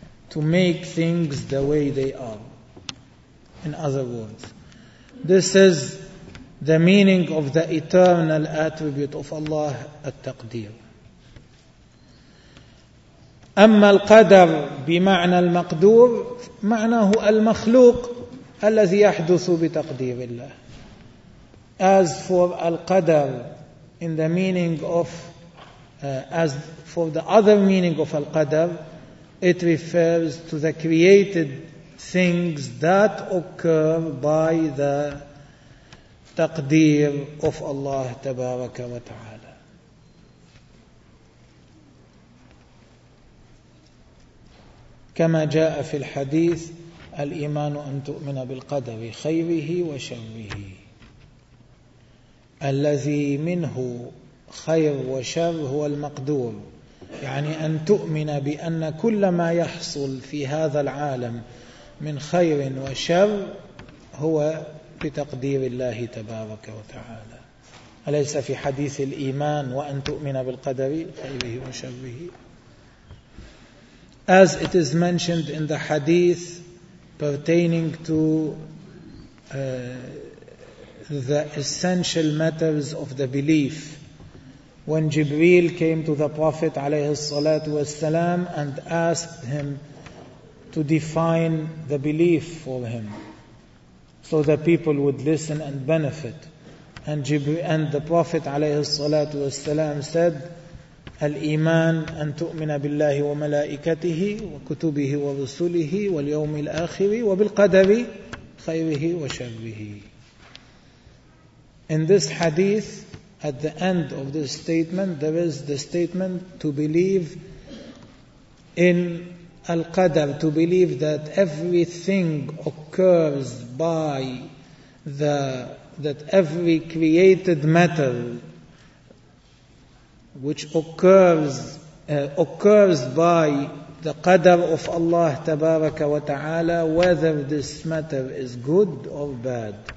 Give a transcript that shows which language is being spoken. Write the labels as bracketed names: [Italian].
[English] To make things the way they are. In other words, this is the meaning of the eternal attribute of Allah, التقدير. [Arabic] أما القدر بمعنى المقدور، معناه المخلوق الذي يحدث بتقدير الله. [English] As for al-qadr, in the meaning of as for the other meaning of al-qadr, it refers to the created things that occur by the taqdeer of Allah tabaraka wa ta'ala. [Arabic] كما جاء في الحديث الإيمان أن تؤمن بالقدر خيره وشره الذي منه خير وشر هو المقدور، يعني أن تؤمن بأن كل ما يحصل في هذا العالم من خير وشر هو بتقدير الله تبارك وتعالى. أليس في حديث الإيمان وأن تؤمن بالقدر خيره وشره؟ [English] As it is mentioned in the hadith pertaining to the essential matters of the belief, when Jibreel came to the Prophet عليه الصلاة والسلام and asked him to define the belief for him so the people would listen and benefit. And the Prophet [Arabic] عليه الصلاة والسلام [English] said, [Arabic] الإيمان أن تؤمن بالله وملائكته وكتبه ورسله واليوم الآخر وبالقدر خيره وشره. [English] In this hadith, at the end of this statement, there is the statement to believe in al-qadr, to believe that everything occurs by that every created matter which occurs by the qadr of Allah tabaraka wa ta'ala, whether this matter is good or bad.